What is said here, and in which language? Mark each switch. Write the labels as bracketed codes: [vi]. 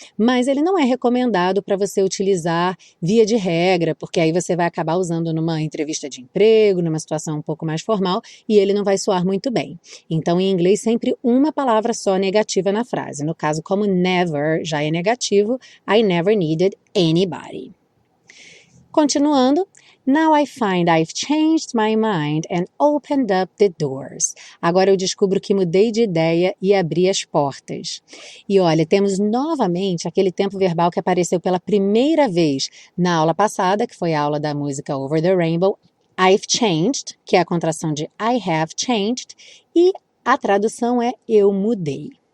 [pt] mas ele não é recomendado para você utilizar via de regra, porque aí você vai acabar usando numa entrevista de emprego, numa situação um pouco mais formal, e ele não vai soar muito bem. Então, em inglês, sempre uma palavra só negativa na frase, no caso, como never já é negativo, [en] I never needed anybody. Continuando, now I find I've changed my mind and opened up the doors. [pt] Agora eu descubro que mudei de ideia e abri as portas. E olha, temos novamente aquele tempo verbal que apareceu pela primeira vez na aula passada, que foi a aula da música Over the Rainbow. [en] I've changed, [pt] que é a contração de [en] I have changed, [pt] e a tradução é eu mudei.